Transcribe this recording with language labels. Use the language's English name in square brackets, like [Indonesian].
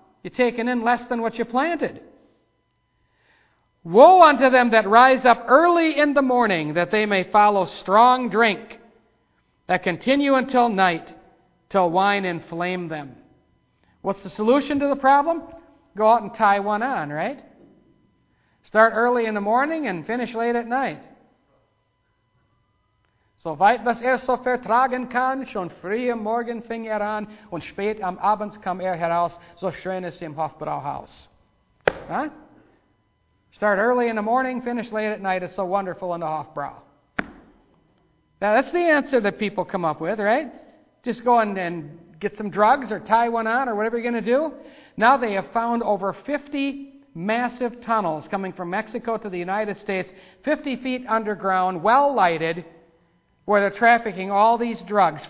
[English] You're taking in less than what you planted. Woe unto them that rise up early in the morning, that they may follow strong drink, that continue until night, till wine inflame them. What's the solution to the problem? Go out and tie one on, right? Start early in the morning and finish late at night. [German] So weit was er so vertragen kann, schon früh am Morgen fing er an, und spät am Abend kam er heraus, so schön ist im Hofbrauhaus. [English] Huh? Start early in the morning, finish late at night, it's so wonderful in the Hofbrau. Now that's the answer that people come up with, right? Just go and get some drugs or tie one on or whatever you're going to do. Now they have found over 50 massive tunnels coming from Mexico to the United States, 50 feet underground, well lighted, where they're trafficking all these drugs.